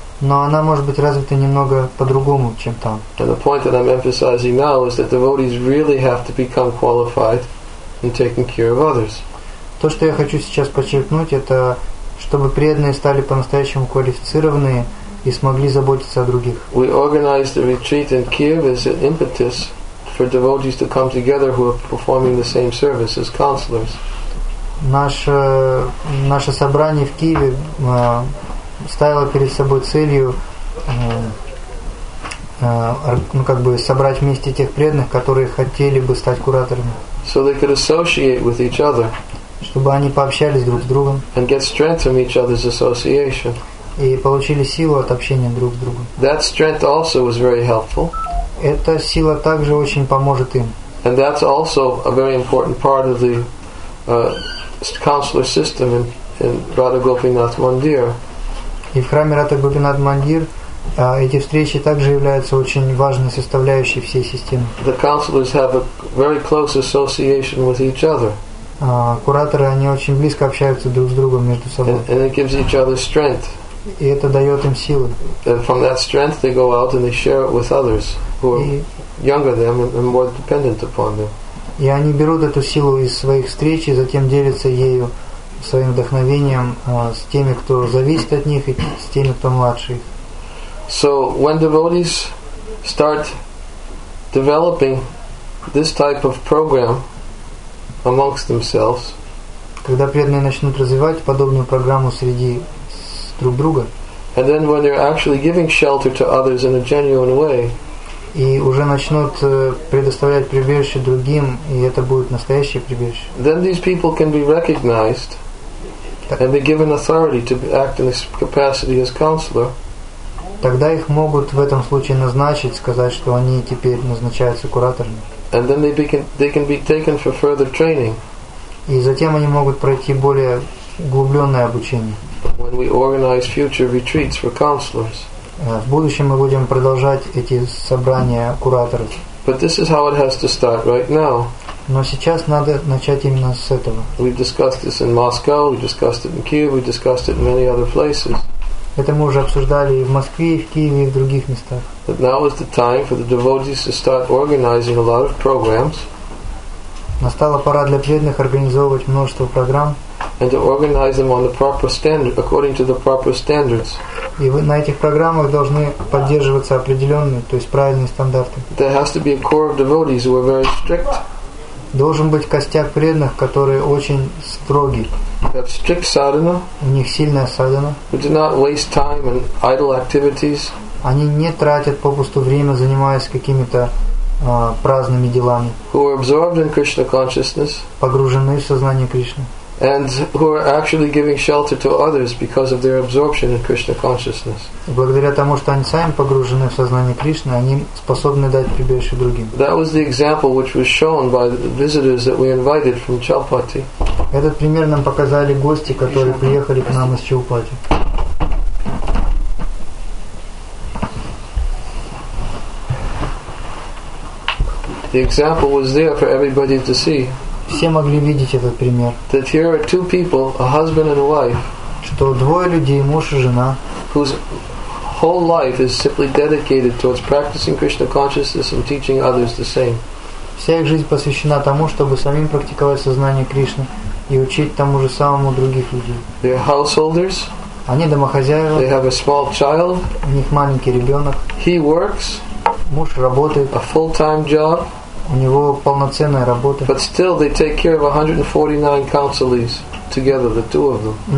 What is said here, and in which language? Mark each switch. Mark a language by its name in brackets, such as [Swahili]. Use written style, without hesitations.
[Russian] Но она может быть развита немного по-другому, чем там. [English] And the point that I'm emphasizing now is that devotees really have to become qualified in taking care of others. [Russian] То, что я хочу сейчас подчеркнуть, это чтобы преданные стали по-настоящему квалифицированные и смогли заботиться о других. [English] We organized the retreat in Kiev as an impetus for devotees to come together who are performing the same service as counselors. [Russian] Наше собрание в Киеве ставило перед собой целью собрать вместе тех преданных, которые хотели бы стать кураторами. [English] So they could associate with each other. [Russian] Чтобы они пообщались друг с другом. [English] And get strength from each other's association. [Russian] И получили силу от общения друг с другом. [English] That strength also was very helpful. [Russian] Эта сила также очень поможет им. [English] And that's also a very important part of the counselor system in Radha Gopinath Mandir. [Russian] И в храме Радха Гопинат Мандир эти встречи также являются очень важной составляющей всей системы. [English] The counselors have a very close association with each other. [Russian] Кураторы, они очень близко общаются друг с другом между собой. [English] And it gives each other strength. [Russian] И это дает им силы. [English] And from that strength they go out and they share it with others who are younger them and more dependent upon them. [Russian] И они берут эту силу из своих встреч и затем делятся ею своим вдохновением с теми, кто зависит от них, и с теми, кто младше их. [English] So when devotees start developing this type of program amongst themselves, [Russian] когда преданные начнут развивать подобную программу среди друг друга, [English] and then when they're actually giving shelter to others in a genuine way, [Russian] и уже начнут предоставлять прибежище другим, и это будет настоящее прибежище, [English] then these people can be recognized and be given authority to act in this capacity as counselor. [Russian] Тогда их могут в этом случае назначить, сказать, что они теперь назначаются кураторами. [English] And then they can be taken for further training. [Russian] И затем они могут пройти более углубленное обучение. [English] When we organize future retreats for counselors. [Russian] В будущем мы будем продолжать эти собрания кураторов. [English] But this is how it has to start right now. [Russian] Но сейчас надо начать именно с этого. [English] We've discussed this in Moscow, we've discussed it in Kiev, we've discussed it in many other places. [Russian] Это мы уже обсуждали и в Москве, и в Киеве, и в других местах. [English] But now is the time for the devotees to start organizing a lot of programs. [Russian] Настала пора для преданных организовывать множество программ. [English] And to organize them on the proper standard, according to the proper standards. [Russian] И вы на этих программах должны поддерживаться определенные, то есть правильные стандарты. [English] There has to be a core of devotees who are very strict. [Russian] Должен быть костяк преданных, которые очень строги. [English] They have strict sadhana. [Russian] У них сильная садхана. [English] Who do not waste time in idle activities. [Russian] Они не тратят попусту время, занимаясь какими-то праздными делами. [English] Who are absorbed in Krishna consciousness. [Russian] Погружены в сознание Кришны. [English] And who are actually giving shelter to others because of their absorption in Krishna consciousness. [Russian] Благодаря тому, что они сами погружены в сознание Кришны, они способны дать прибежище другим. [English] That was the example which was shown by the visitors that we invited from Chalpati. [Russian] Этот пример нам показали гости, которые приехали к нам из Чхаупати. [English] The example was there for everybody to see. [Russian] Все могли видеть этот пример. [English] That here are two people, a husband and a wife, [Russian] что двое людей, муж и жена, [English] whose whole life is simply dedicated towards practicing Krishna consciousness and teaching others the same. [Russian] Вся их жизнь посвящена тому, чтобы самим практиковать сознание Кришны и учить тому же самому других людей. [English] They are householders. [Russian] Они домохозяева. [English] They have a small child. [Russian] У них маленький ребенок. [English] He works. [Russian] Муж работает. [English] A full-time job. [Russian] У него полноценная работа. [English] But still they take care of 149 counselees together, the two of them.